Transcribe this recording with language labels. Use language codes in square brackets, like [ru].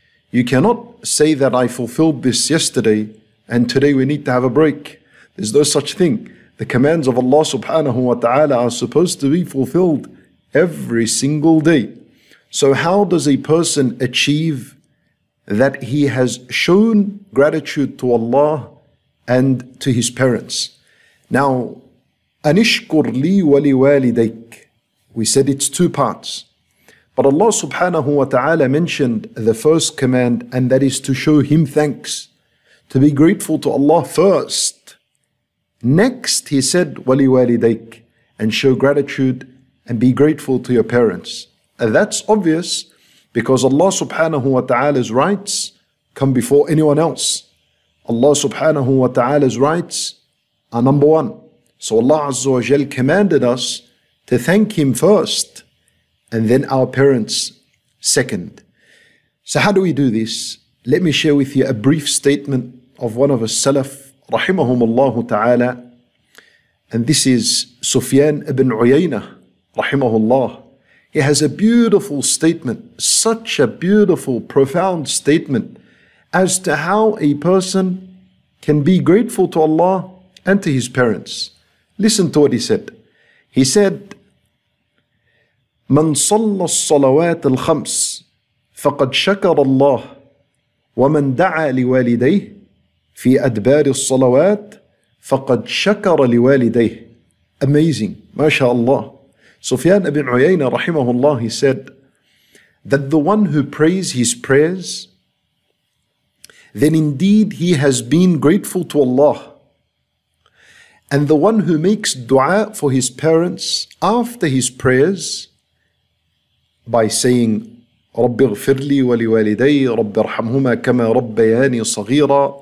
[en] You cannot say that I fulfilled this yesterday and today we need to have a break. There's no such thing. The commands of Allah subhanahu wa ta'ala are supposed to be fulfilled every single day. So how does a person achieve that he has shown gratitude to Allah and to his parents? Now, [ar] أَنِشْكُرْ لِي وَلِوَالِدَيْكَ. [en] We said it's two parts. But Allah subhanahu wa ta'ala mentioned the first command, and that is to show Him thanks, to be grateful to Allah first. Next, He said, wali walidayk, and show gratitude and be grateful to your parents. And that's obvious because Allah subhanahu wa ta'ala's rights come before anyone else. Allah subhanahu wa ta'ala's rights are number one. So Allah azza wa jal commanded us to thank Him first, and then our parents second. So how do we do this? Let me share with you a brief statement of one of the Salaf, rahimahumullahu ta'ala, and this is Sufyan ibn Uyayna, rahimahullah. He has a beautiful statement, such a beautiful, profound statement as to how a person can be grateful to Allah and to his parents. Listen to what he said. He said, [ar] من صلى الصلوات الخمس فقد شكر الله ومن دعا لوالديه في أدبار الصلوات فقد شكر لوالديه. [en] Amazing, mashallah. Sufyan ibn Uyayna rahimahullah, he said that the one who prays his prayers, then indeed he has been grateful to Allah. And the one who makes dua for his parents after his prayers, by saying, [ar] رَبِّ اغْفِرْ لِي وَلِوَالِدَيْهِ رَبِّ ارْحَمْهُمَا كَمَا رَبَّيَانِي صَغِيرًا.